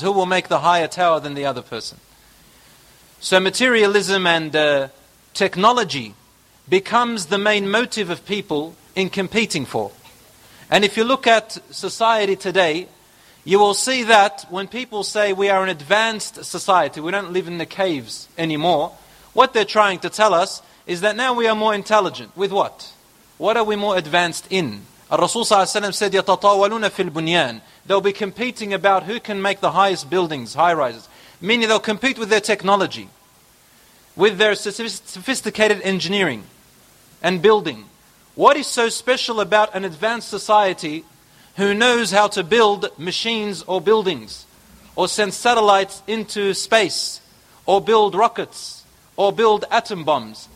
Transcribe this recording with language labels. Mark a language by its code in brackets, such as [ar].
[en] Who will make the higher tower than the other person? So materialism and technology becomes the main motive of people in competing for. And if you look at society today, you will see that when people say we are an advanced society, we don't live in the caves anymore, what they're trying to tell us is that now we are more intelligent. With what? What are we more advanced in? Rasulullah ﷺ said, [ar] يَتَطَاوَلُونَ فِي الْبُنْيَانِ. [en] They'll be competing about who can make the highest buildings, high-rises. Meaning they'll compete with their technology, with their sophisticated engineering and building. What is so special about an advanced society who knows how to build machines or buildings, or send satellites into space, or build rockets, or build atom bombs?